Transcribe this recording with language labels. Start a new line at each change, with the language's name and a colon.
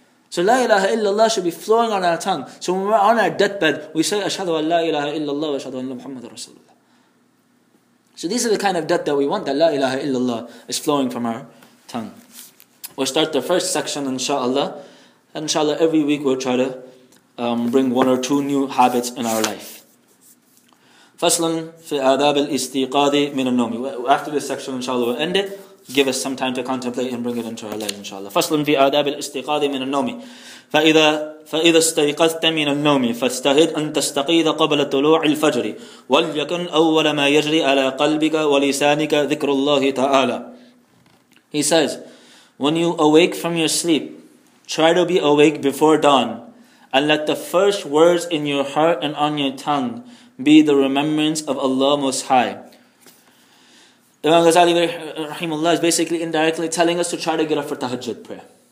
English: So la ilaha illallah should be flowing on our tongue. So when we're on our deathbed, we say, ashhadu an la ilaha illallah wa ashhadu anna Muhammadur Rasulullah. So these are the kind of death that we want, that la ilaha illallah is flowing from our tongue. We'll start the first section, inshaAllah. Inshallah, every week we'll try to bring one or two new habits in our life.
Arabic: فصل في آداب الاستيقاظ من النوم.
English: After this section, inshallah, will end it. Give us some time to contemplate and bring it into our life, inshallah.
Arabic: فصل في آداب الاستيقاظ من النوم. فإذا استيقظت من النوم فاستعد أن تستيقظ قبل طلوع الفجر وليكن أول ما يجري على قلبك ولسانك ذكر الله تعالى.
English: He says, when you awake from your sleep, try to be awake before dawn and let the first words in your heart and on your tongue be the remembrance of Allah Most High. Imam Ghazali rahimullah is basically indirectly telling us to try to get up for tahajjud prayer.